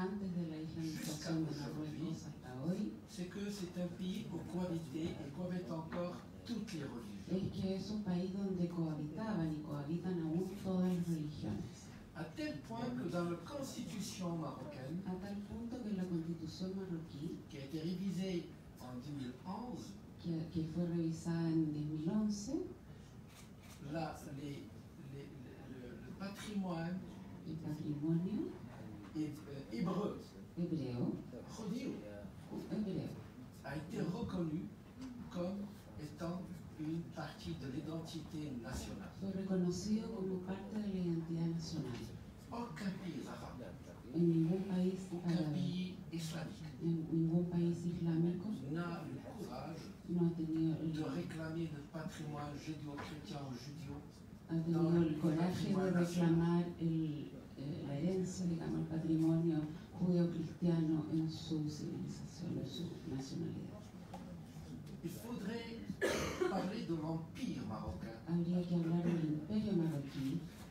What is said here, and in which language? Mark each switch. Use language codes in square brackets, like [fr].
[es] antes de la [fr] islamisation jusqu'à aujourd'hui, c'est que c'est un pays où cohabitaient et cohabitent encore toutes les religions. [es] Es que es un país donde cohabitaban y cohabitan aún todas las religiones. [fr] À tel point que dans la constitution marocaine, [es] a tal punto que la constitución marroquina, [fr] qui a été révisée en 2011, [es] qui fue revisada en 2011, [fr] là, le patrimoine, [es] el patrimonio, [fr] hébreu, judío, a été reconnu comme étant une partie de l'identité nationale. [es] Fue reconocido como parte de la identidad nacional. [fr] Aucun pays arabe, [es] en ningún país arabe, en ningún país islámico, [fr] n'a le courage de réclamer le patrimoine judéo-chrétien ou judéo. [es] Ha tenido el coraje de reclamar la herencia, digamos, el patrimonio judeo-cristiano en su civilización, en su nacionalidad. [fr] Il faudrait parler de l'empire marocain. [es] Habría que hablar del imperio marroquí,